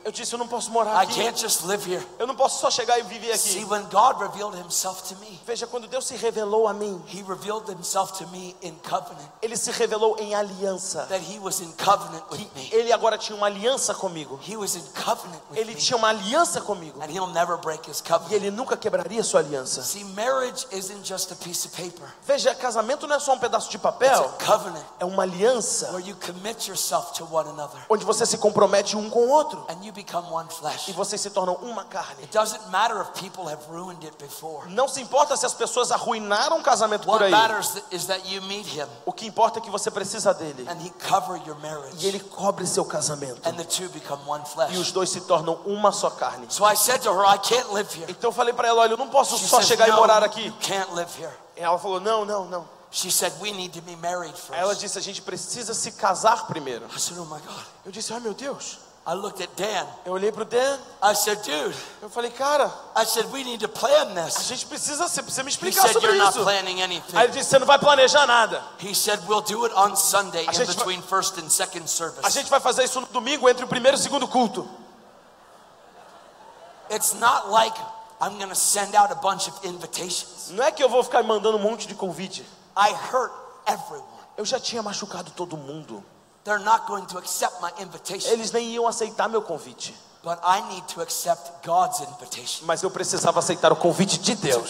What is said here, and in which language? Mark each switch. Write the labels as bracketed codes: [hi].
[pt] Eu disse, eu não posso morar [en] I [pt] aqui. [en] Can't just live here. [pt] Eu não posso só chegar e viver aqui. [en] See, when God revealed himself to me, [pt] veja, quando Deus se revelou a mim, [en] he revealed himself to me in covenant, [pt] ele se revelou em aliança. [en] That he was in covenant with me. [pt] Ele agora tinha uma aliança comigo. [en] He was in covenant with [pt] ele tinha uma aliança comigo. [en] And he'll never break his covenant. [pt] E ele nunca quebraria sua aliança. [en] See, marriage isn't just a piece of paper. [pt] Veja, casamento não é só um pedaço de papel. [en] It's a covenant, [pt] é uma aliança. [en] Where you commit yourself to one another. [pt] Onde você se compromete. Promete um com o outro. [en] And you become one flesh. [pt] E vocês se tornam uma carne. [en] It doesn't matter if people have ruined it before. [pt] Não se importa se as pessoas arruinaram o casamento [en] what [pt] por aí. [en] Matters is that you meet him. [pt] O que importa é que você precisa dele. [en] And he cover your marriage. [pt] E ele cobre seu casamento. [en] And the two become one flesh. [pt] E os dois se tornam uma só carne. [en] So I said to her, I can't live here. [pt] Então eu falei para ela, olha, eu não posso [en] She [pt] só [en] says, [pt] chegar [en] no, [pt] e morar aqui. [en] You can't live here. [pt] E ela falou, não, não, não. [en] She said, "We need to be married first." [pt] Ela disse, a gente precisa se casar primeiro. [en] I said, "Oh my God." [pt] Eu disse, ai meu Deus. [en] I looked at Dan. [pt] Eu olhei pro Dan. [en] I said, "Dude." [pt] Eu falei, cara. [en] I said, "We need to plan this." [pt] A gente precisa, você precisa me explicar [en] He said, [pt] sobre [en] "You're [pt] isso." [en] Not planning anything. [pt] Aí ele disse, você não vai planejar nada. [en] He said, "We'll do it on Sunday in between first and second service." [pt] A gente vai fazer isso no domingo entre o primeiro e o segundo culto. [en] It's not like I'm going to send out a bunch of invitations. [pt] Não é que eu vou ficar mandando um monte de convite. [en] I hurt everyone. [pt] Eu já tinha machucado todo mundo. [en] They're not going to accept my invitation. [pt] Eles nem iam aceitar meu convite. [en] But I need to accept God's invitation. [pt] Mas eu precisava aceitar o convite de Deus.